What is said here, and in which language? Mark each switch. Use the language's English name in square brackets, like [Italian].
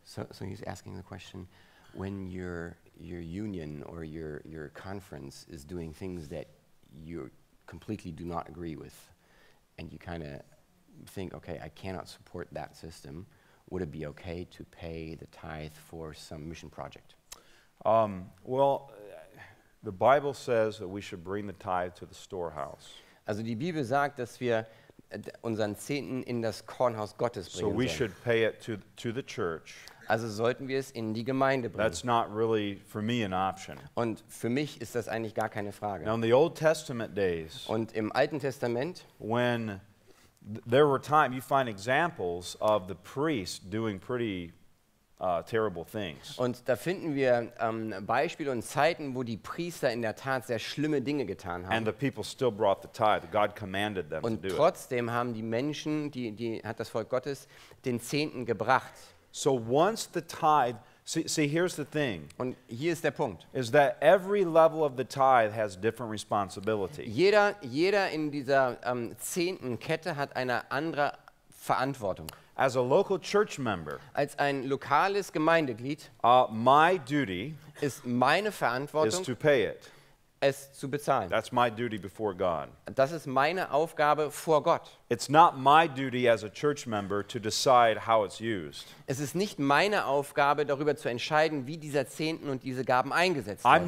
[English] So he's asking the question, when your union or your conference is doing things that you completely do not agree with, and you kind of think, okay, I cannot support that system, would it be okay to pay the tithe for some mission project? Well, the Bible says that we should bring the tithe to the storehouse. [German] Also die Bibel sagt, dass wir unseren Zehnten in das Kornhaus Gottes bringen sollen. [English] So we should pay it to the church. [German] Also sollten wir es in die Gemeinde bringen. [English] That's not really for me an option. [German] Und für mich ist das eigentlich gar keine Frage. [English] Now in the Old Testament days, [German] und im Alten Testament, [English] when there were times you find examples of the priests doing pretty terrible things. [German] Und da finden wir Beispiele und Zeiten, wo die Priester in der Tat sehr schlimme Dinge getan haben. [English] And the people still brought the tithe. God commanded them [German] und [English] to do it. [German] Und trotzdem haben die Menschen, die hat das Volk Gottes, den Zehnten gebracht. [English] So once the tithe, see, here's the thing. [German] Und hier ist der Punkt. [English] Is that every level of the tithe has different responsibility. [German] Jeder in dieser zehnten Kette hat eine andere Verantwortung. [English] As a local church member, [German] als ein lokales Gemeindeglied, [English] my duty [German] ist meine Verantwortung, [English] is to pay it. [German] es zu bezahlen. [English] That's my duty before God. [German] Das ist meine Aufgabe vor Gott. [English] It's not my duty as a church member to decide how it's used. [German] Es ist nicht meine Aufgabe darüber zu entscheiden, wie dieser Zehnten und diese Gaben eingesetzt werden.